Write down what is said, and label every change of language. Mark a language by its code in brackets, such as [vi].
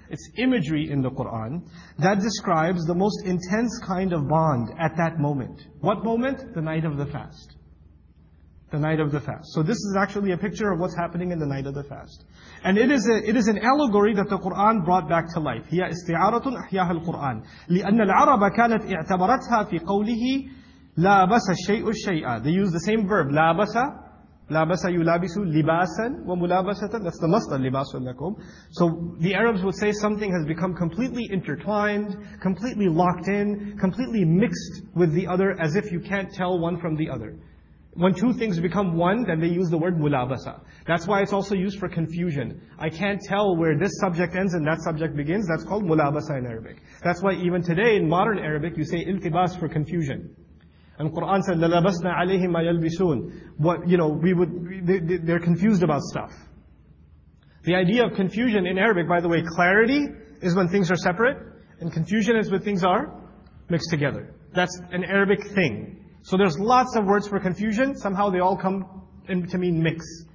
[en] It's imagery in the Qur'an that describes the most intense kind of bond at that moment. What moment? The night of the fast. The night of the fast. So this is actually a picture of what's happening in the night of the fast. And it is an allegory that the Qur'an brought back to life. [ar] هي استعارة أحياها القرآن لأن العرب كانت اعتبرتها في قوله لابس الشيء الشيء. [en] They use the same verb. [ar] لابس لابس يلابس لباسا وملابسة. [en] That's the [ar] مصدر لباس لكم. [en] So the Arabs would say something has become completely intertwined, completely locked in, completely mixed with the other as if you can't tell one from the other. When two things become one, then they use the word mulabasa. That's why it's also used for confusion. I can't tell where this subject ends and that subject begins. That's called mulabasa in Arabic. That's why even today in modern Arabic, you say iltibas for confusion. And Quran said, [ar] لَلَبَسْنَا عَلَيْهِمْ مَا يَلْبِسُونَ. [en] What, you know, they're confused about stuff. The idea of confusion in Arabic, by the way, clarity is when things are separate, and confusion is when things are mixed together. That's an Arabic thing. So there's lots of words for confusion, somehow they all come in to mean mix.